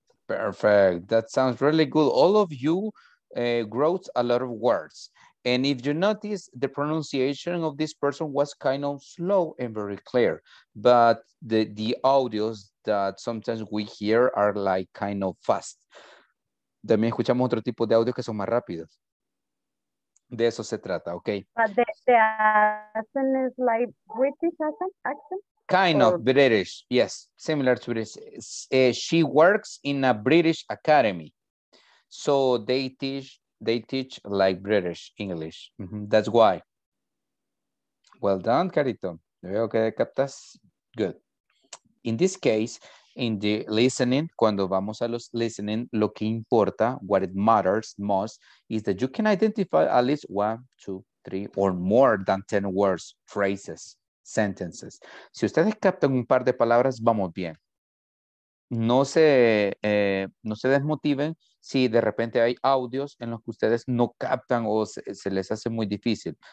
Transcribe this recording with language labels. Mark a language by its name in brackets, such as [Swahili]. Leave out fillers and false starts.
[English] Perfect. That sounds really good. All of you wrote a lot of words. And if you notice, the pronunciation of this person was kind of slow and very clear. But the audios that sometimes we hear are like kind of fast. [Spanish] También escuchamos otro tipo de audios que son más rápidos. De eso se trata, ¿ok? [English] But the accent is like British accent? Kind of British, yes. Similar to British. She works in a British academy. So they teach like British English. Mm-hmm. That's why. Well done, Carito. [Spanish] Veo que captas. [English] Good. In this case, in the listening, [Spanish] cuando vamos a los listening, lo que importa, [English] what it matters most, is that you can identify at least one, two, three, or more than 10 words, phrases, sentences. [Spanish] Si ustedes captan un par de palabras, vamos bien. No se desmotiven si de repente hay audios en los que ustedes no captan o se les hace muy difícil.